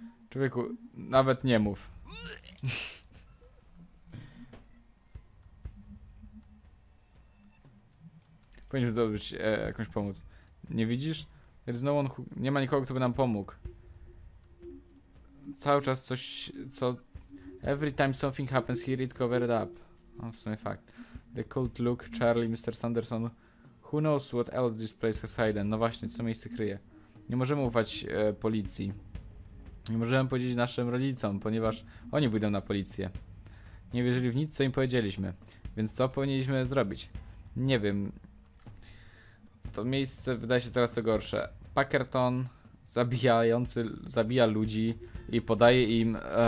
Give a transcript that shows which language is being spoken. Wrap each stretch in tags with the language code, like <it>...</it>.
<pl>Człowieku, nawet nie mów. Powinniśmy zdobyć jakąś pomoc. Nie widzisz?</pl> <en>There's no one who...</en> <pl>Nie ma nikogo, kto by nam pomógł. cały czas coś, co...</pl> <en>Every time something happens here, it covered up.</en> <pl>No, w sumie fakt.</pl> <en>The cult look, Charlie, Mr. Sanderson. Who knows what else this place has hidden?</en> <pl>No właśnie, co miejsce kryje? Nie możemy ufać policji. Nie możemy powiedzieć naszym rodzicom, ponieważ oni pójdą na policję. Nie wierzyli w nic, co im powiedzieliśmy. Więc co powinniśmy zrobić? Nie wiem. To miejsce wydaje się teraz to gorsze. Packerton zabijający, zabija ludzi i podaje im...</pl>